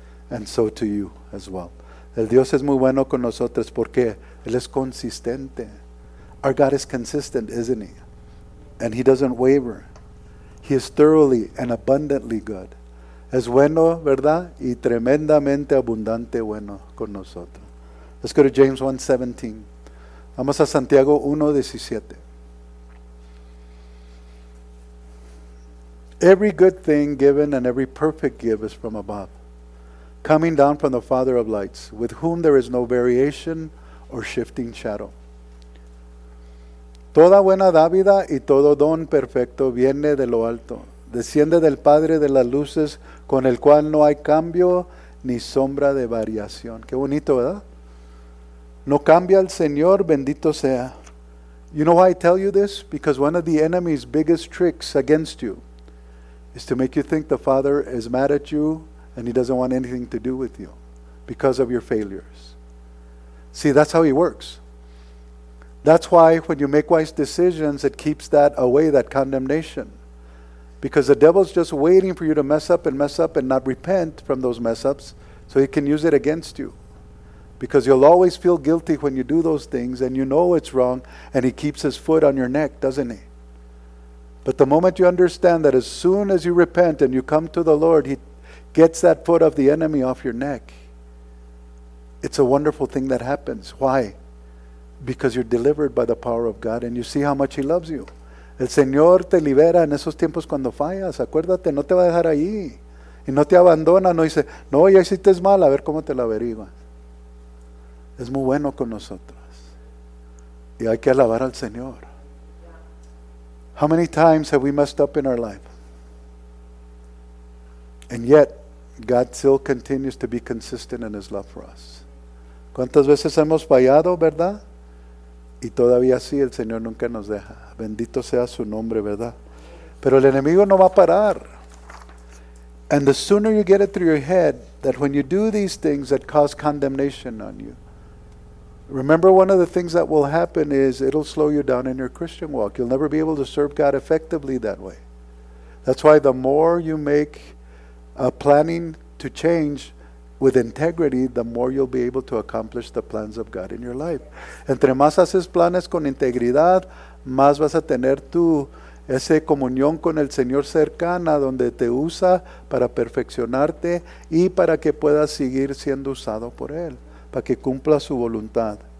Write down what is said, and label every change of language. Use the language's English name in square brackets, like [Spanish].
[English] And so to you as well. [Spanish] El Dios es muy bueno con nosotros porque Él es consistente. [English] Our God is consistent, isn't He? And He doesn't waver. He is thoroughly and abundantly good. [Spanish] Es bueno, ¿verdad? Y tremendamente abundante bueno con nosotros. [English] Let's go to James 1:17. [Spanish] Vamos a Santiago 1:17. [English] Every good thing given and every perfect gift is from above, coming down from the Father of lights, with whom there is no variation or shifting shadow. [Spanish] Toda buena dádiva y todo don perfecto viene de lo alto, desciende del Padre de las luces, con el cual no hay cambio ni sombra de variación. Qué bonito, ¿verdad? No cambia el Señor, bendito sea. [English] You know why I tell you this? Because one of the enemy's biggest tricks against you is to make you think the Father is mad at you and he doesn't want anything to do with you because of your failures. See, that's how he works. That's why when you make wise decisions, it keeps that away, that condemnation. Because the devil's just waiting for you to mess up and not repent from those mess ups so he can use it against you. Because you'll always feel guilty when you do those things and you know it's wrong and he keeps his foot on your neck, doesn't he? But the moment you understand that as soon as you repent and you come to the Lord, he gets that foot of the enemy off your neck. It's a wonderful thing that happens. Why? Because you're delivered by the power of God and you see how much he loves you. [Spanish] El Señor te libera en esos tiempos cuando fallas. Acuérdate, no te va a dejar ahí. Y no te abandona, no dice, no, ya hiciste mal, a ver cómo te lo averigua. Es muy bueno con nosotros. Y hay que alabar al Señor. [English] How many times have we messed up in our life? And yet, God still continues to be consistent in his love for us. [Spanish] ¿Cuántas veces hemos fallado, verdad? Y todavía sí, el Señor nunca nos deja. Bendito sea su nombre, ¿verdad? Pero el enemigo no va a parar. [English] And the sooner you get it through your head that when you do these things that cause condemnation on you, remember one of the things that will happen is it'll slow you down in your Christian walk. You'll never be able to serve God effectively that way. That's why the more you make a planning to change with integrity, the more you'll be able to accomplish the plans of God in your life. [Spanish] Entre más haces planes con integridad, más vas a tener tu esa comunión con el Señor cercana, donde te usa para perfeccionarte y para que puedas seguir siendo usado por Él, para que cumpla su voluntad.